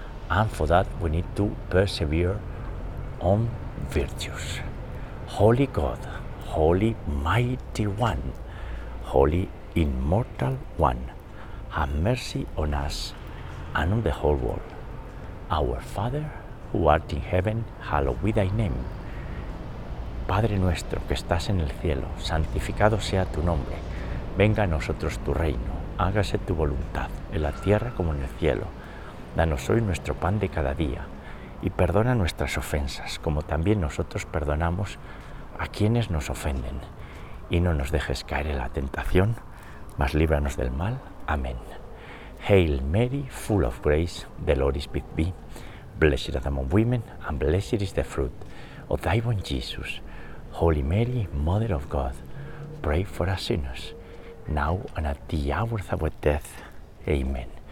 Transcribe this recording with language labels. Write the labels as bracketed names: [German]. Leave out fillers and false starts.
[English] And for that, we need to persevere on virtues. Holy God, Holy Mighty One, Holy Immortal One, have mercy on us and on the whole world. Our Father, who art in heaven, hallowed be thy name. [Spanish] Padre nuestro, que estás en el cielo, santificado sea tu nombre. Venga a nosotros tu reino, hágase tu voluntad, en la tierra como en el cielo. Danos hoy nuestro pan de cada día, y perdona nuestras ofensas, como también nosotros perdonamos a quienes nos ofenden. Y no nos dejes caer en la tentación, mas líbranos del mal. Amén. [English] Hail Mary, full of grace, the Lord is with thee. Blessed art thou among women, and blessed is the fruit of thy womb, Jesus. Holy Mary, Mother of God, pray for us sinners, now and at the hour of our death. Amen.